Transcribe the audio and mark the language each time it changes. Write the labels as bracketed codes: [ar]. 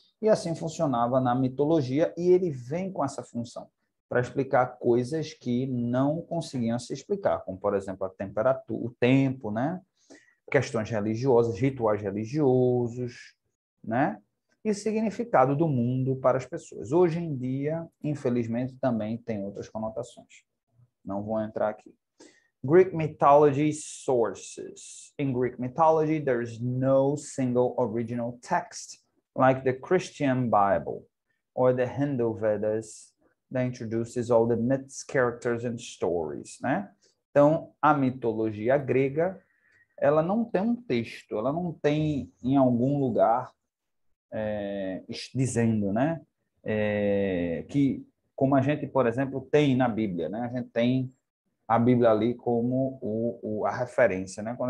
[pt] E assim funcionava na mitologia. E ele vem com essa função, para explicar coisas que não conseguiam se explicar, como, por exemplo, a temperatura, o tempo, né? Questões religiosas, rituais religiosos, né? E significado do mundo para as pessoas. Hoje em dia, infelizmente, também tem outras conotações. Não vou entrar aqui. [en] Greek mythology sources. In Greek mythology, there is no single original text, like the Christian Bible or the Hindu Vedas, that introduces all the myths, characters and stories, né? [pt] Então, a mitologia grega, ela não tem um texto, ela não tem em algum lugar dizendo, né? Que, como a gente, por exemplo, tem na Bíblia, né? A gente tem a Bíblia ali como a referência, né?